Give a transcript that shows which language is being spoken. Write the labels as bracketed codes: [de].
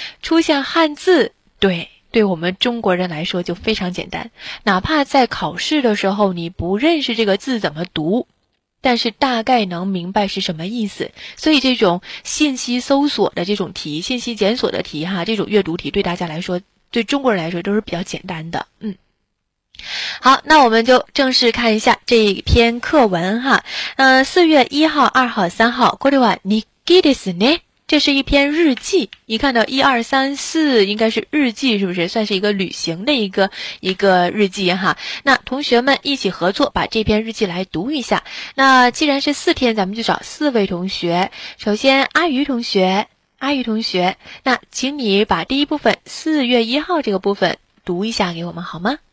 [zh] 出现汉字，对。对我们中国人来说就非常简单，哪怕在考试的时候你不认识这个字怎么读，但是大概能明白是什么意思。所以这种信息搜索的这种题，信息检索的题哈，这种阅读题对大家来说，对中国人来说都是比较简单的。好，那我们就正式看一下这一篇课文哈。 [ja] 4月1号、2号、3号、これは日記ですね。 [zh] 这是一篇日记，一看到1、2、3、4，应该是日记，是不是？算是一个旅行的一个日记哈。那同学们一起合作，把这篇日记来读一下。那既然是四天，咱们就找四位同学。首先，阿鱼同学，那请你把第一部分4月1号这个部分读一下给我们好吗？